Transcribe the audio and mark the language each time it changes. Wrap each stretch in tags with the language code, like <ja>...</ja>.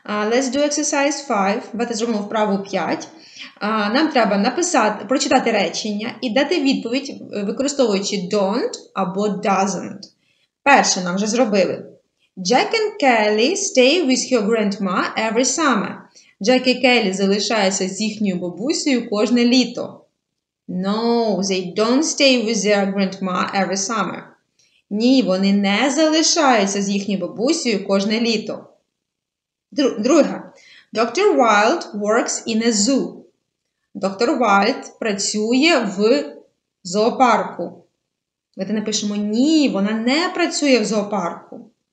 <en>Let's do exercise 5.</en> <uk>Давайте зробимо вправу 5. Нам треба написати, прочитати речення і дати відповідь, використовуючи don't або doesn't. Перше нам вже зробили.</uk> <en>Jack and Kelly stay with your grandma every summer.</en> <uk>Jack і Kelly залишаються з їхньою бабусею кожне літо.</uk> <en>No, they don't stay with their grandma every summer.</en> <uk>Ні, вони не залишаються з їхньою бабусею кожне літо. Друге.</uk> <en>Dr. Wild works in a zoo.</en> <uk>Доктор Вальд працює в зоопарку. Давайте напишемо ні, вона не працює в зоопарку.</uk>